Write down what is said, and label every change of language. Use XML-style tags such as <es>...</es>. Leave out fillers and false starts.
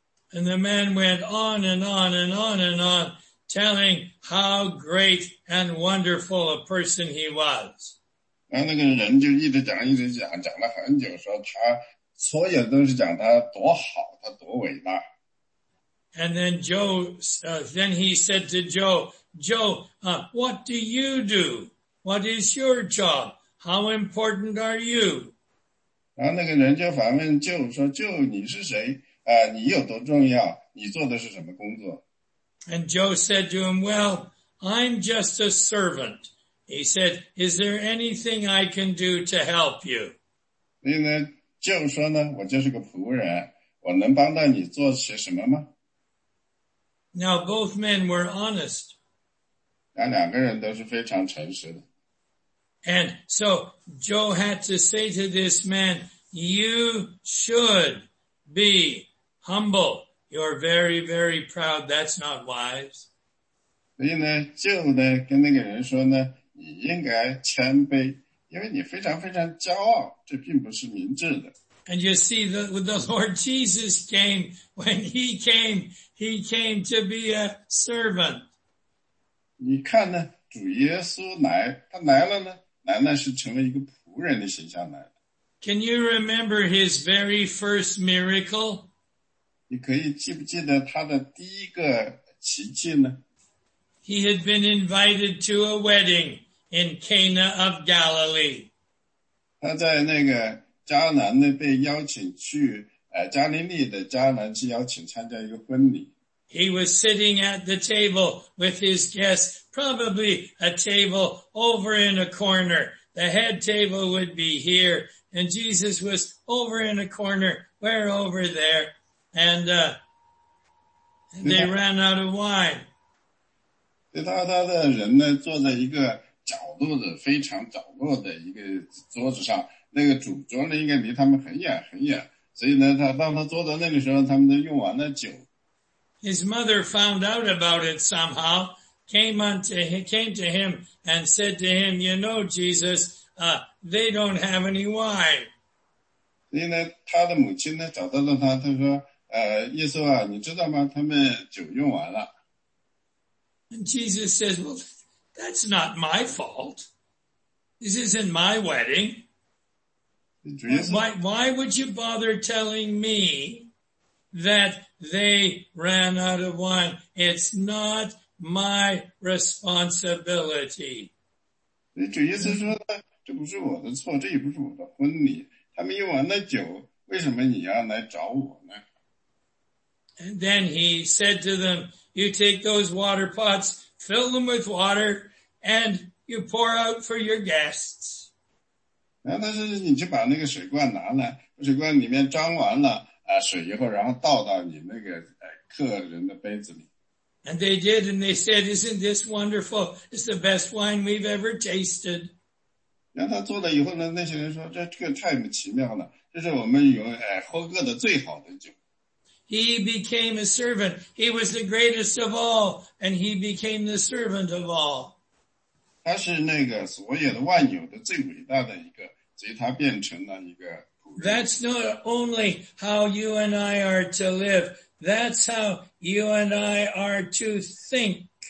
<en>And the man went on and on and on and on, telling how great and wonderful a person he was.</en> <zh>那个人就一直讲一直讲讲了很久说他所有都是讲他多好他多伟大。</zh> <en>And then then he said to Joe, what do you do? What is your job? How important are you?</en> <zh>然后那个人就反问舅说舅你是谁你有多重要你做的是什么工作</zh> <en>And Joe said to him, well, I'm just a servant. He said, is there anything I can do to help you?</en> <zh>所以呢舅说呢我就是个仆人我能帮到你做些什么吗</zh> <en>Now both men were honest.</en> <zh>那两个人都是非常诚实的。</zh> <en>And so Joe had to say to this man, you should be humble. You're very, very proud. That's not wise.</en> <zh>所以呢就呢跟那个人说呢你应该谦卑因为你非常非常骄傲这并不是明智的。</zh> <en>And you see, the Lord Jesus came, when he came to be a servant.</en> <zh>你看呢主耶稣来他来了呢男男是成为一个仆人的形象来的。</zh> <en>Can you remember his very first miracle?</en> <zh>你可以记不记得他的第一个奇迹呢?</zh> <en>He had been invited to a wedding in Cana of Galilee.</en> <zh>他在那个迦南呢被邀请去加利利的迦南去邀请参加一个婚礼。</zh> <en>He was sitting at the table with his guests, probably a table over in a corner. The head table would be here, and Jesus was over in a corner, where over there, and they ran out of wine.</en> <zh>他的人呢坐在一个角落的非常角落的一个桌子上，那个主桌呢应该离他们很远很远，所以呢他当他坐在那个时候，他们都用完了酒。</zh> <en>His mother found out about it somehow, came to him and said to him, you know, Jesus, they don't have any wine.</en> <zh>所以呢他的母亲呢找到了他他说耶稣啊你知道吗他们酒用完了。</zh> <en>And Jesus says, well, that's not my fault. This isn't my wedding. Why would you bother telling me that they ran out of wine. It's not my responsibility.</en> <zh>主耶稣说呢，这不是我的错，这也不是我的婚礼。他们用完了酒，为什么你要来找我呢？</zh> <en>And then he said to them, you take those water pots, fill them with water, and you pour out for your guests.</en> <zh>然后他说，你就把那个水罐拿来，水罐里面装完了。水以后然后倒到你那个客人的杯子里。</zh> <en>And they did, and they said, isn't this wonderful? It's the best wine we've ever tasted.</en> <zh>然后他做了以后呢那些人说这个太奇妙了这是我们有喝过的最好的酒。</zh> <en>He became a servant. He was the greatest of all, and he became the servant of all.</en> <zh>他是那个所有的万有的最伟大的一个所以他变成了一个</zh> <en>That's not only how you and I are to live. That's how you and I are to think.</en>